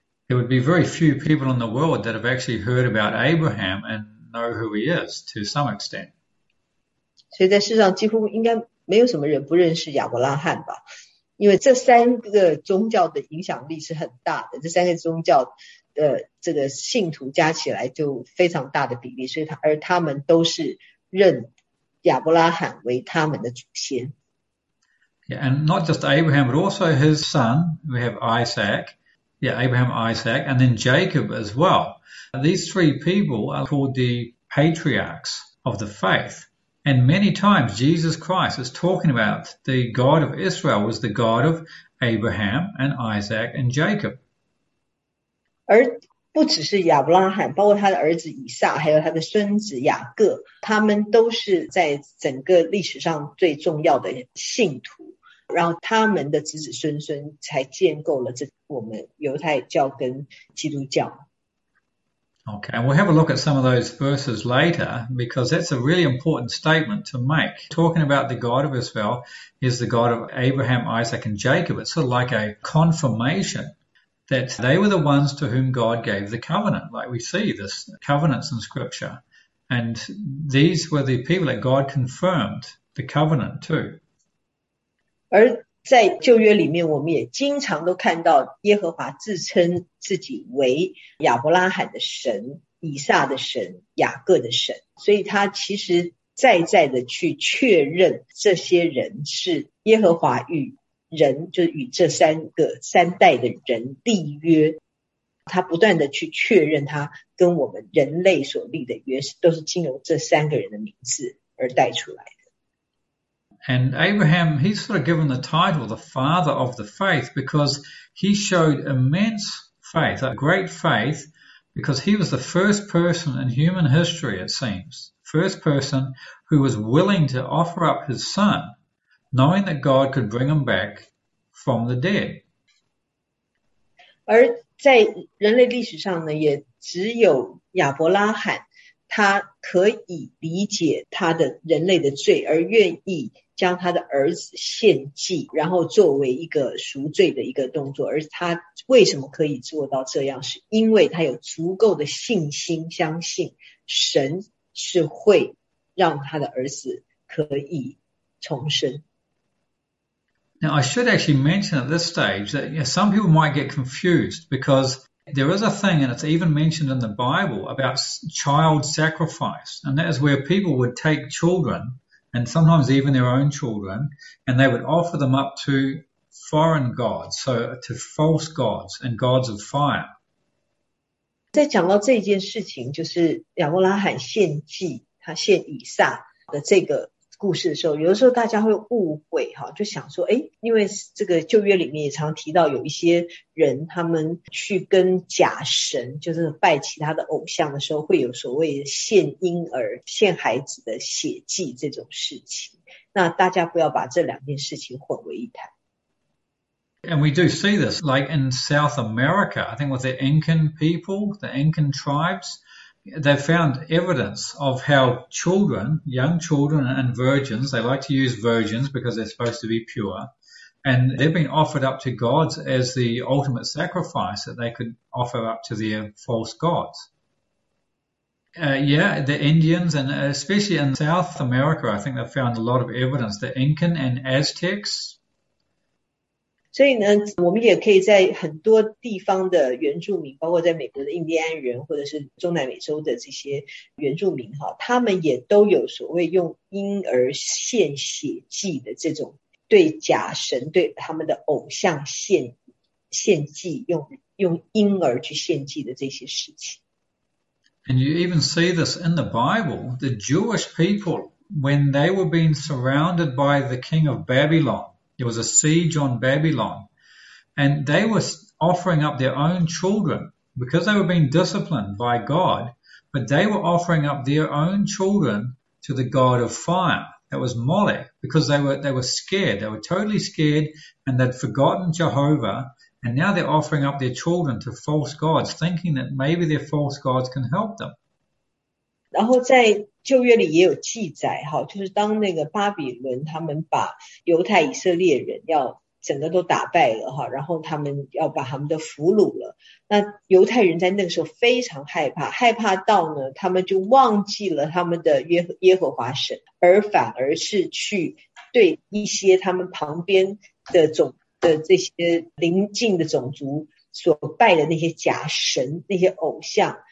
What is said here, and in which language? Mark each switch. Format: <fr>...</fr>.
<en>There would be very few people in the world that have actually heard about Abraham and know who he is to some extent.</en> <zh>所以在世上几乎应该没有什么人不认识亚伯拉罕吧，因为这三个宗教的影响力是很大的，这三个宗教的这个信徒加起来就非常大的比例，所以他们都是认亚伯拉罕为他们的祖先。</zh> <en>Yeah, and not just Abraham, but also his son, we have Isaac. Yeah, Abraham, Isaac, and then Jacob as well. These three people are called the patriarchs of the faith. And many times Jesus Christ is talking about the God of Israel was the God of Abraham and Isaac and Jacob.</en> <zh>而不只是亚伯拉罕，包括他的儿子以撒，还有他的孙子雅各，他们都是在整个历史上最重要的信徒。然后他们的子子孙孙才建构了这我们犹太教跟基督教。</zh> <en>Okay, and we'll have a look at some of those verses later, because that's a really important statement to make. Talking about the God of Israel is the God of Abraham, Isaac and Jacob. It's sort of like a confirmation that they were the ones to whom God gave the covenant, like we see this covenants in scripture. And these were the people that God confirmed the covenant to.</en> <zh>而在旧约里面，我们也经常都看到耶和华自称自己为亚伯拉罕的神、以撒的神、雅各的神，所以他其实在在的去确认这些人是耶和华与人，就是与这三个三代的人立约，他不断的去确认他跟我们人类所立的约都是经由这三个人的名字而带出来的。</zh> <en>And Abraham, he's sort of given the title, the father of the faith, because he showed immense faith, a great faith, because he was the first person in human history, it seems, first person who was willing to offer up his son, knowing that God could bring him back from the dead.</en> <zh>而在人类历史上呢，也只有亚伯拉罕，他可以理解他的人类的罪，而愿意将他的儿子献祭，然后作为一个赎罪的一个动作。而他为什么可以做到这样，是因为他有足够的信心相信神是会让他的儿子可以重生。</zh> <en>Now I should actually mention at this stage that you know, some people might get confused, because there is a thing, and it's even mentioned in the Bible, about child sacrifice, and that is where people would take children and sometimes even their own children, and they would offer them up to foreign gods, so to false gods and gods of fire.</en> <zh>在讲到这件事情，就是亚伯拉罕献祭，他献以撒的这个故事的时候，有的时候大家会误会哈，就想说，哎，因为这个旧约里面也常提到有一些人，他们去跟假神，就是拜其他的偶像的时候，会有所谓献婴儿、献孩子的血祭这种事情。那大家不要把这两件事情混为一谈。</zh> <en>And we do see this, like in South America, I think with the Incan people, the Incan tribes, they've found evidence of how children, young children and virgins, they like to use virgins because they're supposed to be pure, and they've been offered up to gods as the ultimate sacrifice that they could offer up to their false gods. Yeah, the Indians, and especially in South America, I think they've found a lot of evidence, the Incan and Aztecs.</en> <zh>所以呢，我们也可以在很多地方的原住民，包括在美国的印第安人，或者是中南美洲的这些原住民哈，他们也都有所谓用婴儿献血祭的这种对假神、对他们的偶像献祭，用婴儿去献祭的这些事情。</zh> <en>And you even see this in the Bible. The Jewish people, when they were being surrounded by the king of Babylon, there was a siege on Babylon, and they were offering up their own children because they were being disciplined by God, but they were offering up their own children to the god of fire. That was Molech, because they were scared. They were totally scared, and they'd forgotten Jehovah. And now they're offering up their children to false gods, thinking that maybe their false gods can help them.</en> <zh>然后在旧约里也有记载，哈，就是当那个巴比伦他们把犹太以色列人要整个都打败了，哈，然后他们要把他们的俘虏了，那犹太人在那个时候非常害怕，害怕到呢，他们就忘记了他们的耶和华神，而反而是去对一些他们旁边的种的这些邻近的种族所拜的那些假神、那些偶像。</zh>